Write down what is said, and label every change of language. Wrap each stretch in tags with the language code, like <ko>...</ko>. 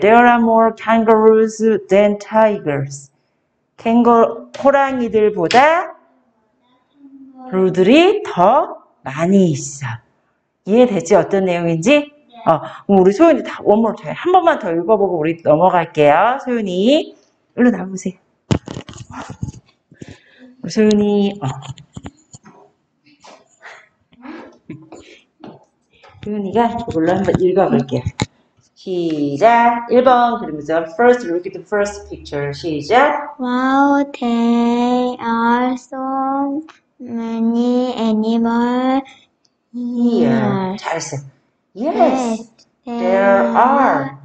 <en>There are more kangaroos than tigers.</en> <ko>호랑이들보다 루들이 더 많이 있어. 이해됐지? 어떤 내용인지? 네. 우리 소윤이 다</ko> <en>one more time.</en> <ko>한 번만 더 읽어보고 우리 넘어갈게요. 소윤이. 일로 나와보세요. 우리 소윤이. 소윤이가 그걸로 한번 읽어볼게요. 시작. 1번 그림에서</ko> <en>first look at the first picture.</en> <ko>시작.</ko> <en>Wow, there are so many animals here.</en> <ko>잘했어.</ko> <en>Yes. There are.</en>